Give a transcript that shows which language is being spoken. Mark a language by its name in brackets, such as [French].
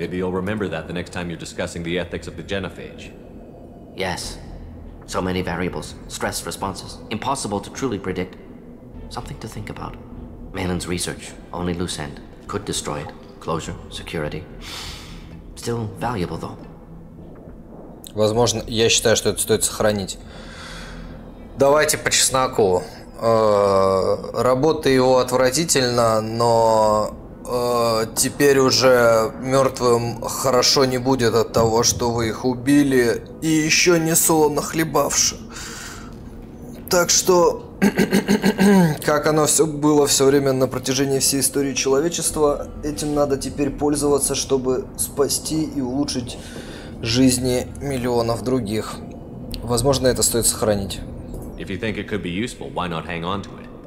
[English] Maybe you'll remember that the next time you're discussing the ethics of the genophage. Yes. So many variables, stress responses, impossible to truly predict. Something to think about. Malin's research, only loose end, could destroy it. Closure, security. Still valuable though. [Russian] Возможно, я считаю, что это стоит сохранить. Давайте по чесноку. Работа его отвратительна, но теперь уже мертвым хорошо не будет от того, что вы их убили и еще не солоно хлебавши. Так что, как оно все было все время на протяжении всей истории человечества, этим надо теперь пользоваться, чтобы спасти и улучшить жизни миллионов других. Возможно, это стоит сохранить. [English] If you think it could be useful, why not hang on to it?